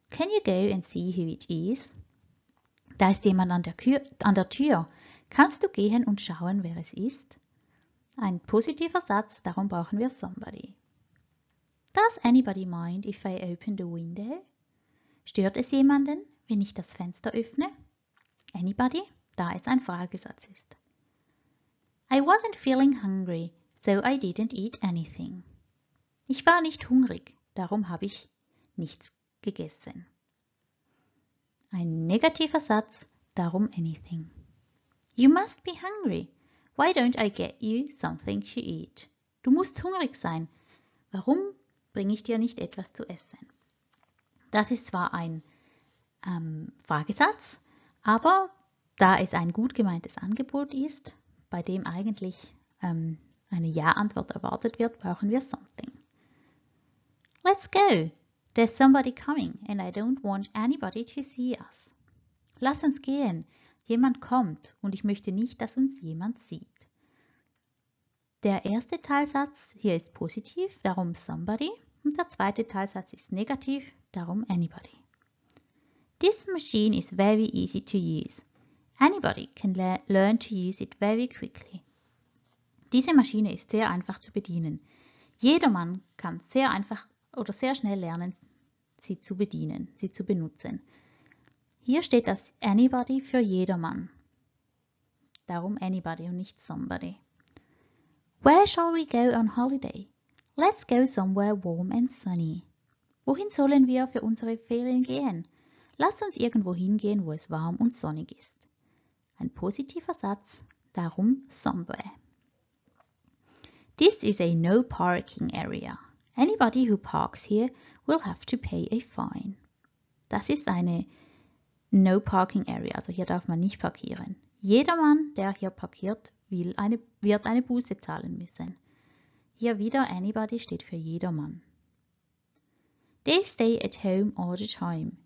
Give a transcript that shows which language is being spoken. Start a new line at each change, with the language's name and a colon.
English: Can you go and see who it is?
German: Da ist jemand an der Tür. Kannst du gehen und schauen, wer es ist? Ein positiver Satz, darum brauchen wir somebody.
English: Does anybody mind if I open the window?
German: Stört es jemanden, wenn ich das Fenster öffne? Anybody? Da es ein Fragesatz ist.
English: I wasn't feeling hungry, so I didn't eat anything.
German: Ich war nicht hungrig, darum habe ich nichts gegessen. Ein negativer Satz, darum anything.
English: You must be hungry. Why don't I get you something to eat?
German: Du musst hungrig sein. Warum bringe ich dir nicht etwas zu essen? Das ist zwar ein Fragesatz, aber da es ein gut gemeintes Angebot ist, bei dem eigentlich eine Ja-Antwort erwartet wird, brauchen wir something.
English: Let's go. There's somebody coming and I don't want anybody to see us.
German: Lass uns gehen. Jemand kommt und ich möchte nicht, dass uns jemand sieht. Der erste Teilsatz hier ist positiv, darum somebody. Und der zweite Teilsatz ist negativ, darum anybody.
English: This machine is very easy to use. Anybody can learn to use it very quickly.
German: Diese Maschine ist sehr einfach zu bedienen. Jedermann kann sehr einfach oder sehr schnell lernen, sie zu bedienen, sie zu benutzen. Hier steht das anybody für jedermann. Darum anybody und nicht somebody.
English: Where shall we go on holiday? Let's go somewhere warm and sunny.
German: Wohin sollen wir für unsere Ferien gehen? Lass uns irgendwo hingehen, wo es warm und sonnig ist. Ein positiver Satz, darum somewhere.
English: This is a no parking area. Anybody who parks here will have to pay a fine.
German: Das ist eine no parking area, also hier darf man nicht parkieren. Jedermann, der hier parkiert, wird eine Buße zahlen müssen. Hier wieder anybody steht für jedermann.
English: They stay at home all the time.